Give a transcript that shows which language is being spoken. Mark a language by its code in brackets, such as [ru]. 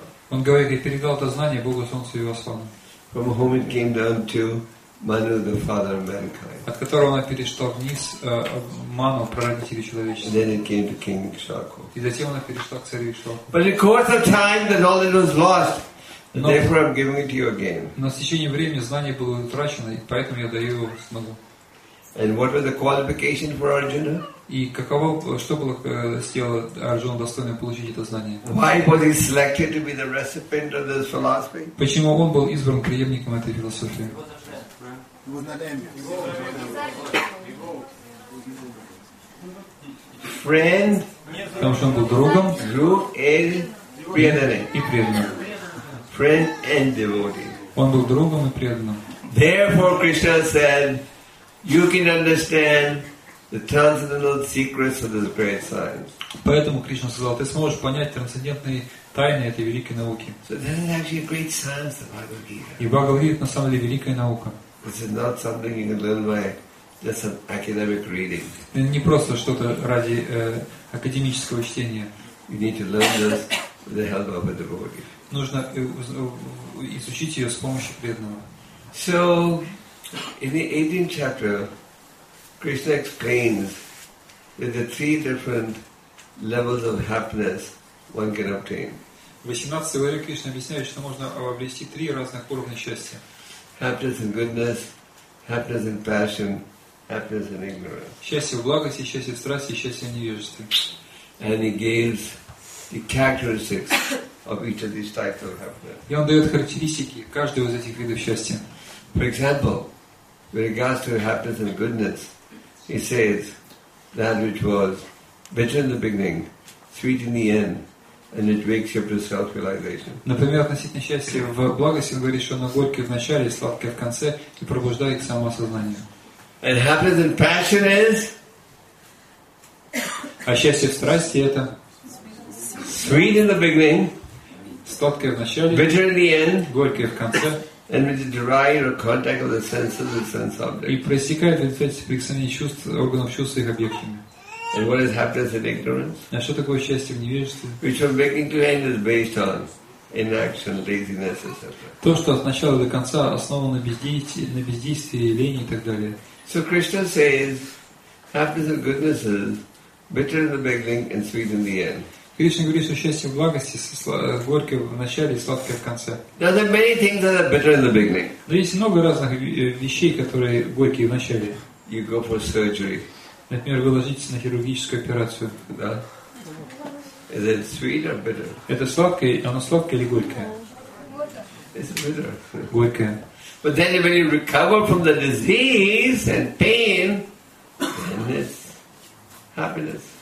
[ru] Он говорит, я передал это знание Богу Солнцу и Васвану. [en] From whom it came down to Manu, the father of mankind. [ru] От которого она перешла вниз, Ману, прародителю человечества. [en] And then it came to King Ikshvaku. [ru] И затем она перешла к царю Ikshvaku. [en] But in course of time, that all it was lost. And therefore, I'm giving it to you again. [ru] Но с течением времени знание было утрачено, и поэтому я даю его Ману. [en] And what were the qualifications for Arjuna? [ru] И каково, что было сделало Арджуна достойным получить это знание? [en] Why was he selected to be the recipient of this philosophy? [ru] Почему он был избран преемником этой философии? [en] Friend, [ru] потому что он был другом, друг и преданным. [en] Friend and devotee. [ru] Он был другом и преданным. [en] Therefore, Krishna said, "You can understand the transcendental secrets of this great science." [ru] Поэтому Кришна сказал, ты сможешь понять трансцендентные тайны этой великой науки. [en] So this is actually a great science, the Bhagavad Gita. [ru] И Бхагавад Гита на самом деле великая наука. [en] This is not something you can learn by just an academic reading. [ru] Не просто что-то ради академического чтения. [en] You need to learn this with the help of a devotee. [ru] Нужно изучить ее с помощью преданного. [en] So, in the 18th chapter, Krishna explains that the three different levels of happiness one can obtain. [ru] В 18 главе Кришна объясняет, что можно обрести три разных уровня счастья. [en] Happiness in goodness, happiness in passion, happiness in ignorance. [ru] Счастье в благости, счастье в страсти, счастье в невежестве. [en] And he gives the characteristics of each of these types of happiness. [ru] И он дает характеристики каждого из этих видов счастья. [en] For example, with regards to happiness and goodness, he says that which was bitter in the beginning, sweet in the end. And it wakes up to self-realization. [ru] Например, относительно счастья в благости, он говорит, что оно горькое в начале, сладкое в конце, и пробуждает к самоосознанию. [en] And happiness and passion is. [ru] А счастье в страсти это. [en] Sweet in the beginning. [ru] Сладкое в начале. [en] Bitter in the end. [ru] Горькое в конце. [en] And with the derived or contact of the senses and sense objects. [ru] И проистекает в результате прикосновения чувств, органов чувств и объектами. [en] And what is happiness in ignorance? [ru] А что такое счастье в невежестве? [en] Which from beginning to end is based on inaction, laziness, etc. [ru] То, что от начала до конца основано на бездействии, лени и так далее. [en] So Krishna says, happiness and goodness is bitter in the beginning and sweet in the end. [ru] Кришна говорит, что счастье в благости горькое в начале и сладкое в конце. [en] Now there are many things that are bitter in the beginning. [ru] Но есть много разных вещей, которые горькие в начале. [en] You go for surgery. [ru] Например, вы ложитесь на хирургическую операцию. Да. [en] Is it sweet or bitter? [ru] Это сладкое, оно сладкое или горькое? [en] It's bitter. [ru] Горькое. [en] But then when you recover from the disease and pain, then it's happiness.